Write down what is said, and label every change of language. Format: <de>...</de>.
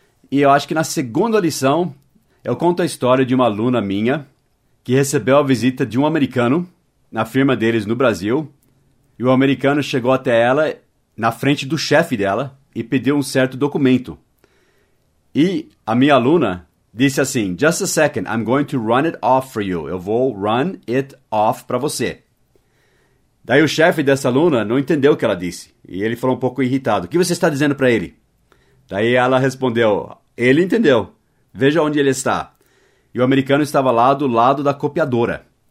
<pt>E eu acho que na segunda lição, eu conto a história de uma aluna minha que recebeu a visita de um americano na firma deles no Brasil. E o americano chegou até ela, na frente do chefe dela, e pediu um certo documento. E a minha aluna disse assim,</pt> <en>"Just a second, I'm going to run it off for you."</en> <pt>Eu vou</pt> <en>run it off</en> <pt>para você. Daí o chefe dessa aluna não entendeu o que ela disse. E ele falou um pouco irritado. "O que você está dizendo para ele?" Daí ela respondeu, "Ele entendeu. Veja onde ele está." E o americano estava lá do lado da copiadora.</pt>